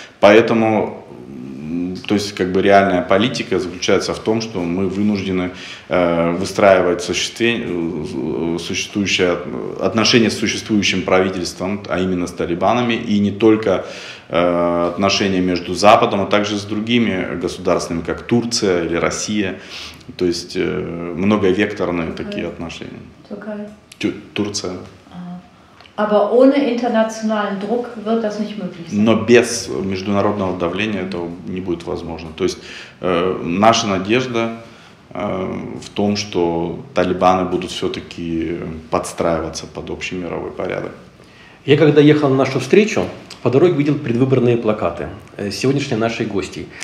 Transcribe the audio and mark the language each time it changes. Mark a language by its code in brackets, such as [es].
[ru] Поэтому, то есть, как бы реальная политика заключается в том, что мы вынуждены выстраивать существующее отношение с существующим правительством, а именно с талибанами, и не только отношения между Западом, а также с другими государствами, как Турция или Россия. То есть многовекторные такие отношения. Турция. [de] Aber ohne internationalen Druck wird das nicht möglich sein. [ru] Но без международного давления этого не будет возможно. То есть наша надежда в том, что талибаны будут все-таки подстраиваться под общий мировой порядок. Я когда ехал на нашу встречу, по дороге видел предвыборные плакаты сегодняшней нашей гостьи.